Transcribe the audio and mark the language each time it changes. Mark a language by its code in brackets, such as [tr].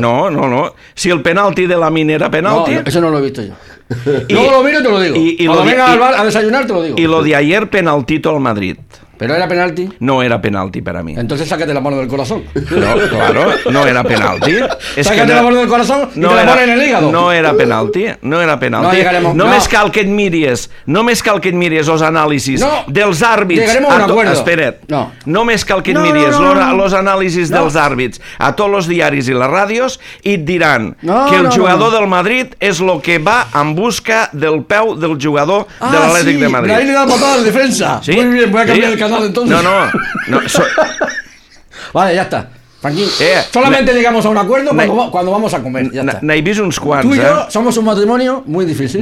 [es] No. Si el penalti de Lamine era penalti. No, eso no lo he visto yo. Luego lo miro y te lo digo. A desayunar te lo digo. Y lo de ayer, penaltito al Madrid. ¿Pero era penalti? No era penalti para mí. Entonces sácate la mano del corazón. No, claro, no era penalti. Sácate la mano del corazón y te la pones en el hígado. No era penalti. [ca] Només cal que et miris, els anàlisis dels àrbits. [es] Llegaremos a un acuerdo. [ca] Espera't. Només cal que et miris els anàlisis dels àrbits a tots els diaris i les ràdios i et diran que el jugador del Madrid és el que va en busca del peu del jugador de l'Atlètic de Madrid. [es] Ah, sí, però ahí le da patada al defensa. Sí? Muy bien, voy a cambiar canal entonces. No. Vale, ya está. Tranquil. Solamente llegamos a un acuerdo cuando vamos a comer. Ya está. [ca] N'hi vist uns quants, [es] tu i jo somos un matrimonio muy difícil.